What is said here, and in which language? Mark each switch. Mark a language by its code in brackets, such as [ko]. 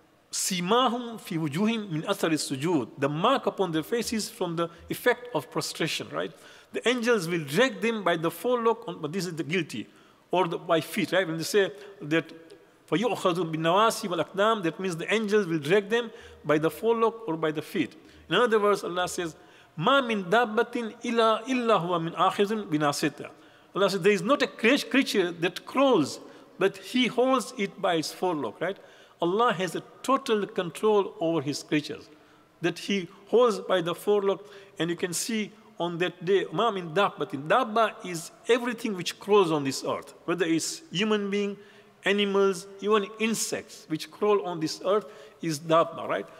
[ar] سِيمَاهُمْ فِي وُجُوهِمْ مِنْ أَثَرِ السُّجُودِ, [en] the mark upon their faces from the effect of prostration, right? The angels will drag them by the forelock, but this is the guilty, or the, by feet, right? When they say that, [ar] فَيُؤْخَذُوا بِالنَّوَاسِ وَالْأَقْدَامِ, [en] that means the angels will drag them by the forelock or by the feet. In other words, Allah says, [ar] مَا مِنْ دَابَّةٍ إِلَّا هُوَ مِنْ آخِذٍ بِنَاسِتَةٍ. [en] Allah says, there is not a creature that crawls, but he holds it by its forelock, right? Allah has a total control over his creatures, that he holds by the forelock. And you can see on that day, [ar] مَا مِنْ دَابَّةٍ, [en] Dabba is everything which crawls on this earth, whether it's human being, animals, even insects which crawl on this earth is Dabba, right?